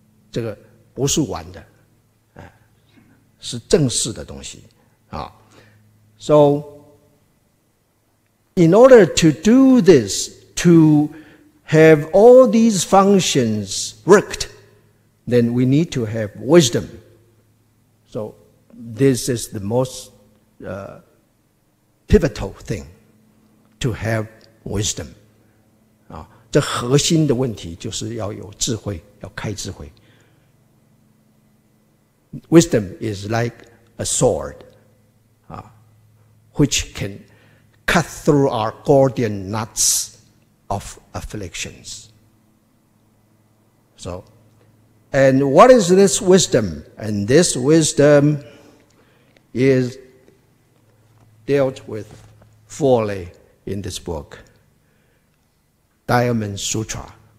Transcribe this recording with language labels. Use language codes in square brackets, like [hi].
[zh] 这个不是玩的，是正式的东西。 [en] So, in order to do this, to have all these functions worked, then we need to have wisdom. So, this is the most pivotal thing, to have wisdom. [zh] 这核心的问题就是要有智慧，要开智慧。 [en] Wisdom is like a sword, which can cut through our Gordian knots of afflictions. So, and what is this wisdom? And this wisdom is dealt with fully in this book, Diamond Sutra.